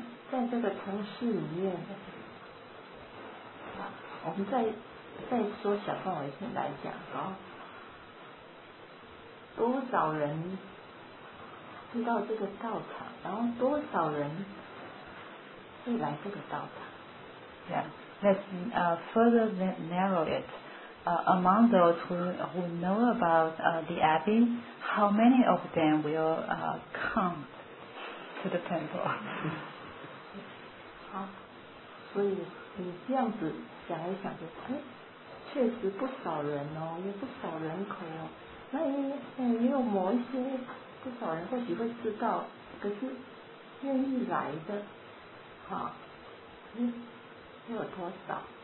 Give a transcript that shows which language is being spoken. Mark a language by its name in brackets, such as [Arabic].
[Chinese] 在这个城市里面，我们再缩小范围先来讲啊，多少人知道这个道场，然后多少人会来这个道场？ [English] Yeah, let's further narrow it. Among those who know about the Abbey, how many of them will come to the temple? [Chinese] 好，所以你这样子想一想就哎。确实不少人哦，有不少人口哦。那也有某一些不少人或许会知道，可是愿意来的，又有多少？